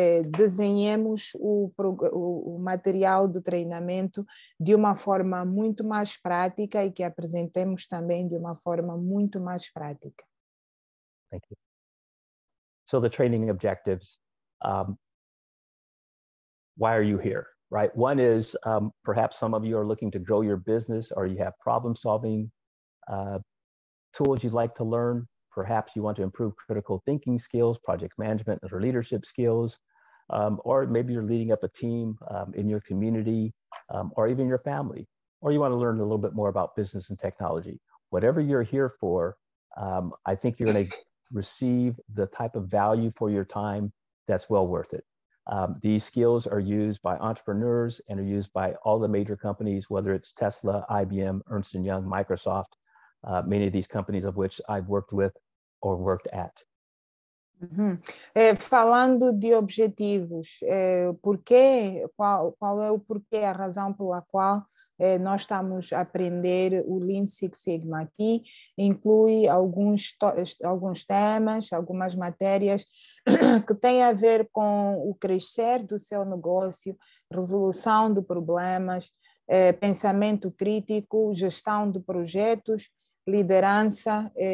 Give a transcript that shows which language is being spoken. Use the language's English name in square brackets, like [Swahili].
[Portuguese] desenhemos o material de treinamento de uma forma muito mais prática e que apresentemos também de uma forma muito mais prática. [English] Thank you. So the training objectives, why are you here, right? One is perhaps some of you are looking to grow your business or you have problem solving tools you'd like to learn. Perhaps you want to improve critical thinking skills, project management or leadership skills, or maybe you're leading up a team in your community or even your family, or you want to learn a little bit more about business and technology. Whatever you're here for, I think you're going to receive the type of value for your time that's well worth it. These skills are used by entrepreneurs and are used by all the major companies, whether it's Tesla, IBM, Ernst & Young, Microsoft, many of these companies of which I've worked with or worked at. Uhum. [Portuguese] Falando de objetivos, qual é o porquê, a razão pela qual nós estamos a aprender o Lean Six Sigma aqui, inclui alguns temas, algumas matérias que têm a ver com o crescer do seu negócio, resolução de problemas, pensamento crítico, gestão de projetos, liderança,